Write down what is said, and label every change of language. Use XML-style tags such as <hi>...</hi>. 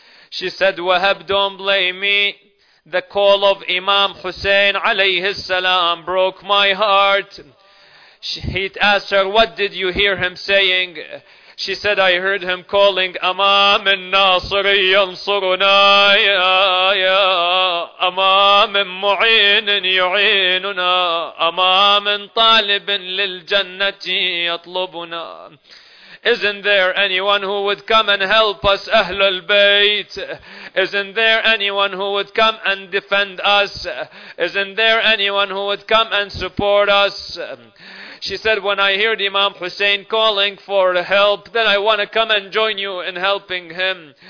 <en>She said, Wahab, don't blame me. The call of Imam Hussein عليه السلام broke my heart. He asked her, What did you hear him saying? She said, I heard him calling,</en> <ar>أمام الناصر ينصرنا يا يا أمام معين يعيننا أمام طالب للجنة يطلبنا.</ar> <en>Isn't there anyone who would come and help us, Ahlul Bayt? Isn't there anyone who would come and defend us? Isn't there anyone who would come and support us? She said, when I heard Imam Hussein calling for help, then I want to come and join you in helping him.</en>